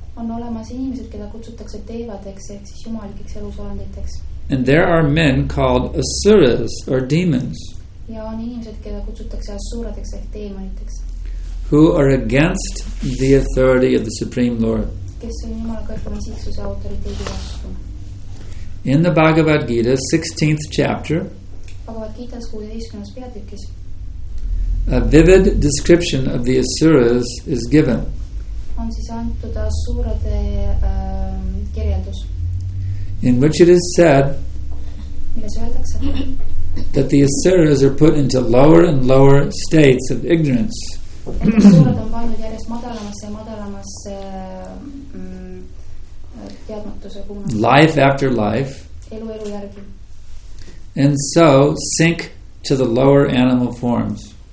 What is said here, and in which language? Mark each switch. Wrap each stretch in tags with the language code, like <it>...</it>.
<et>On olemas inimesed, keda kutsutakse devadeks, ehk siis jumalikeks elusolenditeks.</et> <en>And there are men called asuras or demons.</en> <et>Ja on inimesed, keda kutsutakse asuradeks, ehk teemaniteks.</et> <en>Who are against the authority of the Supreme Lord.</en> <et>Kes on jumala kõrgema isiksuse autoriteedi vastu.</et> <en>In the Bhagavad Gita, 16th chapter.</en> <et>Bhagavad Gita 16. peatükis.</et> <en>A vivid description of the asuras is given.</en> <et>On siis antud asurade kirjeldus.</et> <en>In which it is said,</en> <et>milles öeldakse,</et> <en>that the asuras are put into lower and lower states of ignorance.</en> <et>Asurad on pannud järjest madalamasse ja madalamasse teadmatuse kummas.</et> <en>Life after life.</en> <et>Elu elu järgi.</et> <en>And so sink to the lower animal forms.</en>